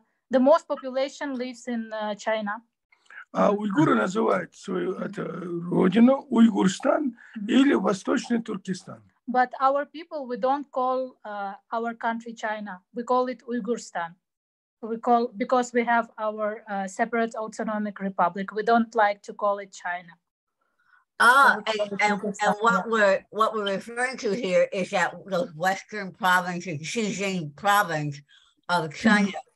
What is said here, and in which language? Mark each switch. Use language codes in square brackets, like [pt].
[en] The most population lives in China. [ru] А уйгуры называют свою это родину Уйгурстан или Восточный Туркестан. [en] But our people, we don't call our country China. We call it Uyghurstan. Because we have our separate autonomic republic. We don't like to call it China. And what we're referring to here is that those Western provinces, Xinjiang province of China.